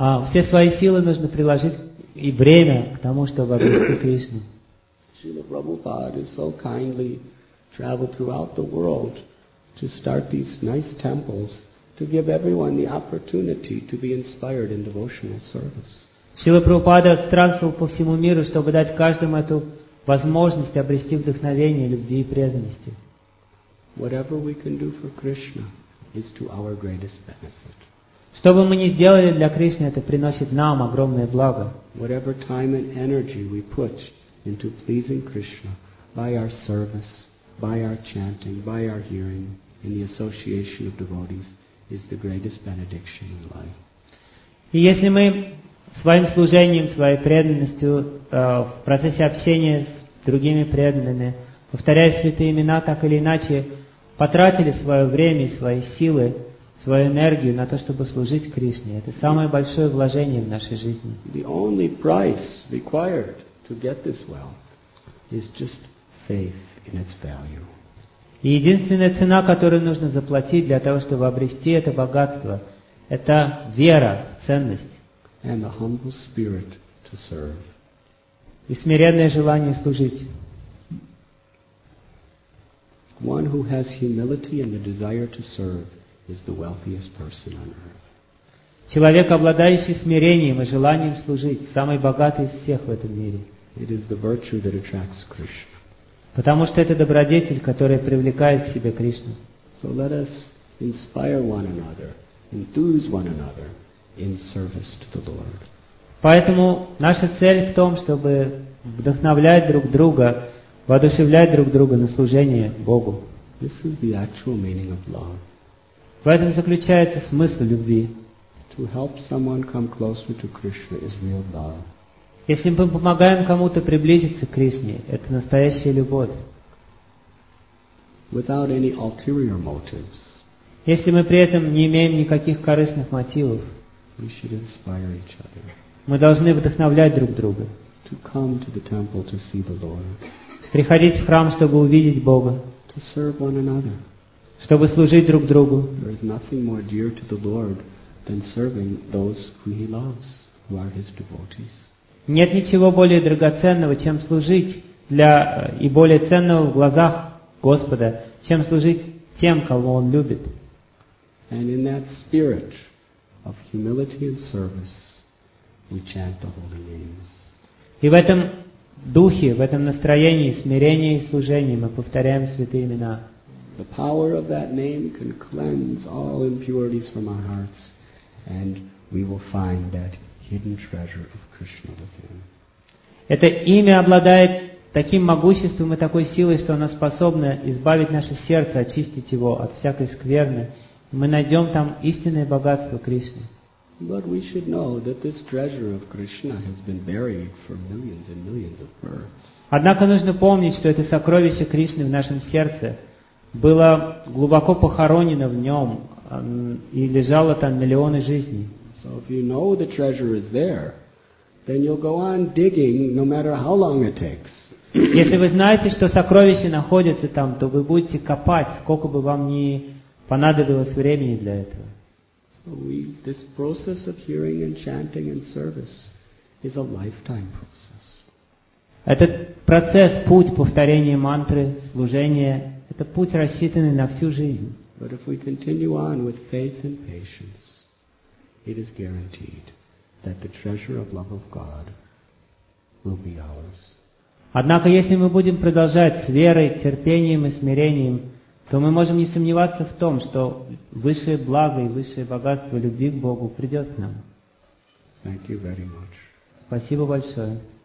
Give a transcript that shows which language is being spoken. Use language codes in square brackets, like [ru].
[ru] Все свои силы нужно приложить и время к тому, чтобы обрести Кришну. [en] Шрила Прабхупада so kindly travel throughout the world to start these nice temples to give everyone the opportunity to be inspired in devotional service. [ru] Шрила Прабхупада странствовал по всему миру, чтобы дать каждому эту возможность обрести вдохновение любви и преданности. [en] Whatever we can do for Krishna is to our greatest benefit. [ru] Что бы мы ни сделали для Кришны, это приносит нам огромное благо. [en] Whatever time and energy we put into pleasing Krishna by our service, by our chanting, by our hearing, in the association of devotees, is the greatest benediction in life. [ru] И если мы своим служением, своей преданностью, в процессе общения с другими преданными, повторяя святые имена, так или иначе, потратили свое время, свои силы, свою энергию на то, чтобы служить Кришне, это самое большое вложение в нашей жизни. [en] The only price required to get this wealth is just faith in its value. [ru] И единственная цена, которую нужно заплатить для того, чтобы обрести это богатство, это вера в ценность. [en] And a humble spirit to serve. [ru] И смиренное желание служить. [en] One who has humility and the desire to serve is the wealthiest person on earth. [ru] Человек, обладающий смирением и желанием служить, самый богатый из всех в этом мире. [en] It is the virtue that attracts Krishna. [ru] Потому что это добродетель, которая привлекает к себе Кришну. [en] So let us inspire one another, enthuse one another in service to the Lord. [ru] Поэтому наша цель в том, чтобы вдохновлять друг друга, воодушевлять друг друга на служение Богу. [en] This is the actual meaning of love. [ru] В этом заключается смысл любви. [en] To help someone come closer to Krishna is real love. [ru] Если мы помогаем кому-то приблизиться к Кришне, это настоящая любовь. [en] Without any ulterior motives. [ru] Если мы при этом не имеем никаких корыстных мотивов, [en] we should inspire each other. [ru] Мы должны вдохновлять друг друга. [en] To come to the temple to see the Lord. [ru] Приходить в храм, чтобы увидеть Бога. [en] To serve one another. [ru] Чтобы служить друг другу. [en] There is nothing more dear to the Lord than serving those who He loves, who are His devotees. [ru] Нет ничего более драгоценного, чем служить для и более ценного в глазах Господа, чем служить тем, кого Он любит. [en] And in that spirit of humility and service, we chant the holy names. [ru] И в этом духе, в этом настроении смирения и служения мы повторяем святые имена. [en] The power of that name can cleanse all impurities from our hearts, and we will find that hidden treasure of Krishna within. [ru] Это имя обладает таким могуществом и такой силой, что оно способно избавить наше сердце, очистить его от всякой скверны. Мы найдем там истинное богатство Кришны. [en] But we should know that this treasure of Krishna has been buried for millions and millions of births. [ru] Однако нужно помнить, что это сокровище Кришны в нашем сердце было глубоко похоронено в нем и лежало там миллионы жизней. [en] So if you know the treasure is there, then you'll go on digging no matter how long it takes. [ru] Если вы знаете, что сокровище находится там, то вы будете копать, сколько бы вам ни понадобилось времени для этого. [en] This process of hearing and chanting and service is a lifetime process. [ru] Этот процесс, путь повторения мантры, служения, это путь, рассчитанный на всю жизнь. [en] But if we continue on with faith and patience, it is guaranteed that the treasure of love of God will be ours. [ru] Однако, если мы будем продолжать с верой, терпением и смирением, то мы можем не сомневаться в том, что высшее благо и высшее богатство любви к Богу придет к нам. [en] Thank you very much. [ru] Спасибо большое.